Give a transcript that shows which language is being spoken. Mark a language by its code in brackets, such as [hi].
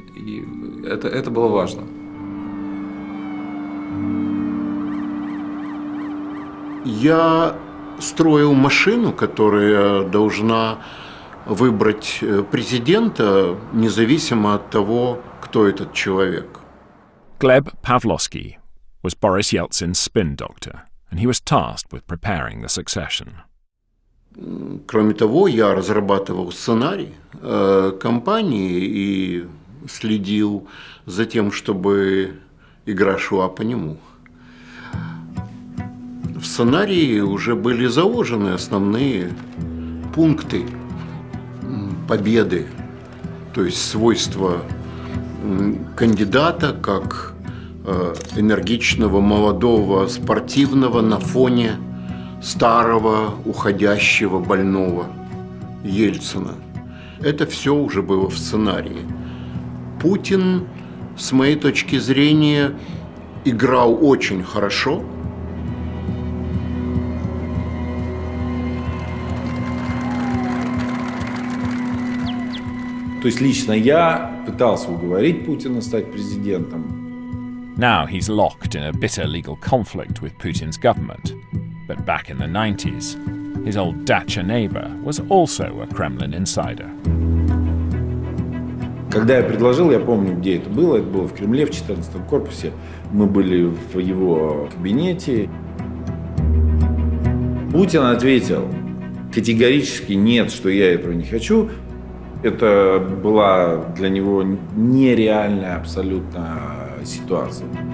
[ru] И это было важно. Я строил машину, которая должна выбрать президента, независимо от того, кто этот человек. [en] Глеб Pavlovsky was Boris Yeltsin's spin doctor, and he was tasked with preparing the succession. [ru] Кроме того, я разрабатывал сценарий кампании и следил за тем, чтобы игра шла по нему. В сценарии уже были заложены основные пункты победы, то есть свойства кандидата как энергичного, молодого, спортивного на фоне старого, уходящего, больного Ельцина. Это все уже было в сценарии. Путин, с моей точки зрения, играл очень хорошо. То есть лично я пытался уговорить Путина стать президентом. [en] Now he's locked in a bitter legal conflict with Putin's government. But back in the 90s, his old dacha neighbor was also a Kremlin insider. [ru] Когда я предложил, я помню, где это было в Кремле, в 14-м корпусе. Мы были в его кабинете. Путин ответил категорически нет, что я этого не хочу. Это была для него нереальная абсолютно ситуация.